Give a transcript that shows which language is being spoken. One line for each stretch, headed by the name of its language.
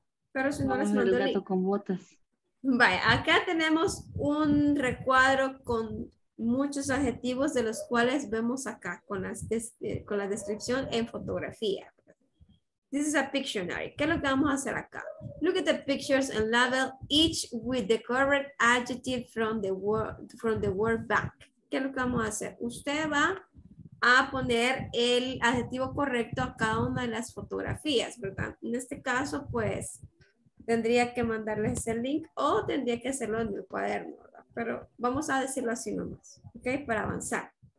Spanish: Pero si no, les mando el gato con botas. Vaya, acá tenemos un recuadro con muchos adjetivos de los cuales vemos acá con la descripción en fotografía.
English: This is a Pictionary.
Spanish: ¿Qué es lo que vamos a hacer acá?
English: Look at the pictures and label each with the correct adjective from the word back.
Spanish: ¿Qué es lo que vamos a hacer? Usted va a poner el adjetivo correcto a cada una de las fotografías, ¿verdad? En este caso, pues, tendría que mandarles ese link o tendría que hacerlo en el cuaderno, ¿verdad? Pero vamos a decirlo así nomás, ¿ok? Para avanzar.